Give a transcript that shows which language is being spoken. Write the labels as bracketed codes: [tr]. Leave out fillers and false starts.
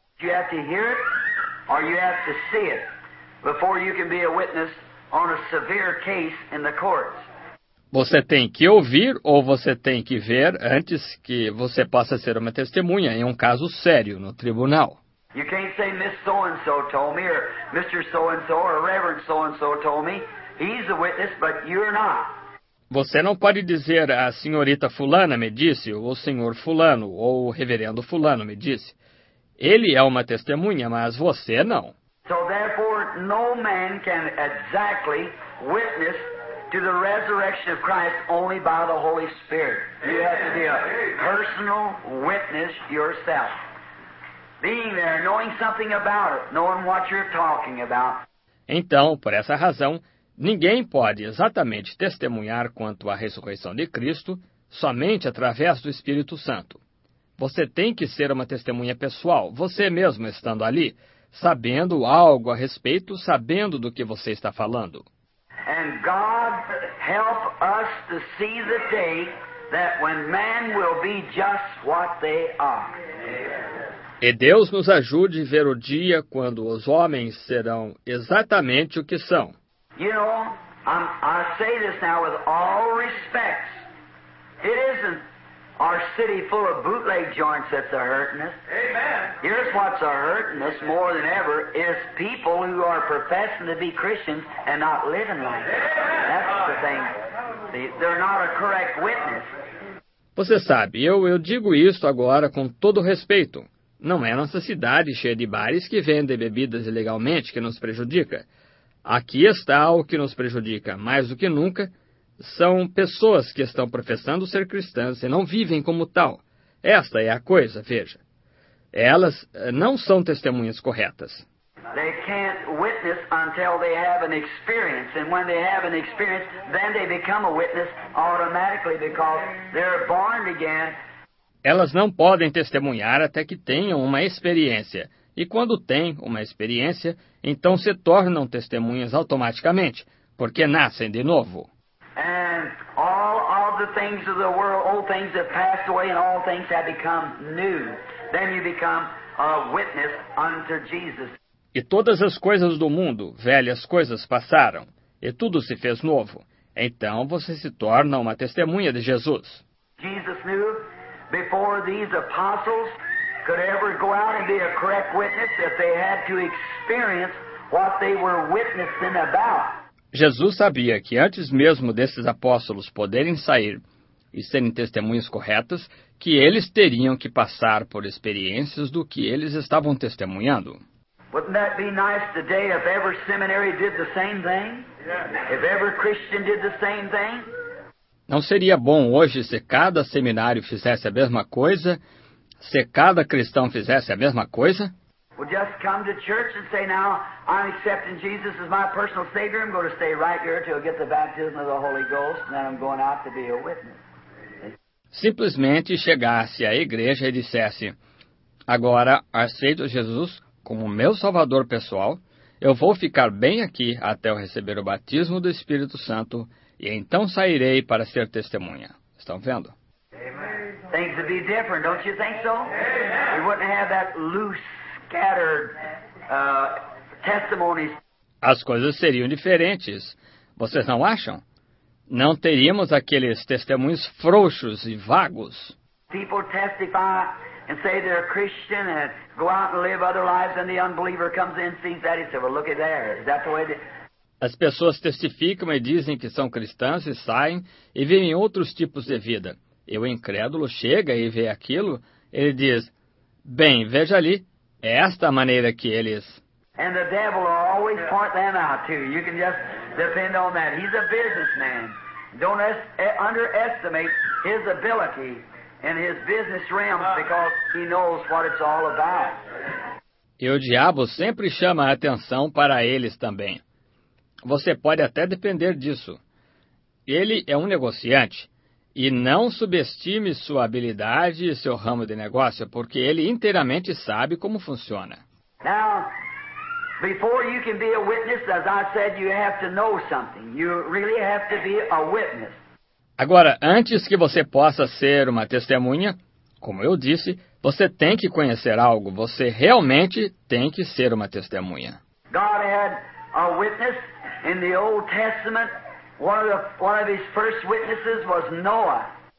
[en] You have to hear it or you have to see it before you can be a witness on a severe case in the courts. [pt] Você tem que ouvir ou você tem que ver antes que você possa ser uma testemunha em um caso sério no tribunal. [en] You can't say Miss So-and-so told me, or Mr. So-and-so, or Reverend So-and-so told me. He's a witness, but you're not. [pt] Você não pode dizer a senhorita fulana me disse, ou o senhor fulano, ou o reverendo fulano me disse. Ele é uma testemunha, mas você não. [en] So therefore, no man can exactly witness to the resurrection of Christ only by the Holy Spirit. You have to be a personal witness yourself. Being there, knowing something about it, knowing what you're talking about. [pt] Então, por essa razão, ninguém pode exatamente testemunhar quanto à ressurreição de Cristo somente através do Espírito Santo. Você tem que ser uma testemunha pessoal, você mesmo estando ali, sabendo algo a respeito, sabendo do que você está falando. [en] And God help us to see the day that when man will be just what they are. Amen. [pt] E Deus nos ajude a ver o dia quando os homens serão exatamente o que são. [en] You know, I say this now with all respects. It isn't our city full of bootleg joints that's a hurting us. Amen. Here's what's a hurting us more than ever is people who are professing to be Christians and not living like that. That's the thing. They're not a correct witness. [pt] Você sabe, eu digo isto agora com todo respeito. Não é nossa cidade cheia de bares que vendem bebidas ilegalmente que nos prejudica. Aqui está o que nos prejudica, mais do que nunca, são pessoas que estão professando ser cristãs e não vivem como tal. Esta é a coisa, veja. Elas não são testemunhas corretas. [en] They can't witness until they have an experience, and when they have an experience, then they become a witness automatically because they're born again. [pt] Elas não podem testemunhar até que tenham uma experiência. E quando têm uma experiência, então se tornam testemunhas automaticamente, porque nascem de novo. [en] And all of the things of the world, old things have passed away and all things have become new. Then you become a witness unto Jesus. [pt] E todas as coisas do mundo, velhas coisas passaram, e tudo se fez novo. Então você se torna uma testemunha de Jesus. [en] Jesus knew. Before these apostles could ever go out and be a correct witness, if they had to experience what they were witnessing about. [pt] Jesus sabia que antes mesmo desses apóstolos poderem sair e serem testemunhas corretas, que eles teriam que passar por experiências do que eles estavam testemunhando. [en] Wouldn't that be nice today if every seminary did the same thing? Yeah. If every Christian did the same thing? [pt] Não seria bom hoje se cada seminário fizesse a mesma coisa? Se cada cristão fizesse a mesma coisa? [en] Well, just come to church and say, now, I'm accepting Jesus as my personal Savior. I'm going to stay right here till I get the baptism of the Holy Ghost, and then I'm going out to be a witness. [pt] Simplesmente chegasse à igreja e dissesse, agora aceito Jesus como meu Salvador pessoal, eu vou ficar bem aqui até eu receber o batismo do Espírito Santo e então sairei para ser testemunha. Estão vendo? [en] Things would be different, don't you think so? We wouldn't have that loose, scattered testimonies. [pt] As coisas seriam diferentes, vocês não acham? Não teríamos aqueles testemunhos frouxos e vagos. [en] People testify and say they're Christian and go out and live other lives, and the unbeliever comes in, sees that, he says, well, look at there. Is that the way they... [pt] As pessoas testificam e dizem que são cristãs e saem e vivem outros tipos de vida. E o incrédulo chega e vê aquilo, ele diz, bem, veja ali, é esta a maneira que eles... [en] And the devil will always point them out too. You can just depend on that. He's a businessman. Don't underestimate his ability and his business realm because he knows what it's all about. [pt] E o diabo sempre chama a atenção para eles também. Você pode até depender disso. Ele é um negociante. E não subestime sua habilidade e seu ramo de negócio, porque ele inteiramente sabe como funciona. [en] Now, before you can be a witness, as I said, you have to know something. You really have to be a witness. [pt] Agora, antes que você possa ser uma testemunha, como eu disse, você tem que conhecer algo. Você realmente tem que ser uma testemunha. [en] God had a witness in the Old Testament. One of his first witnesses was Noah.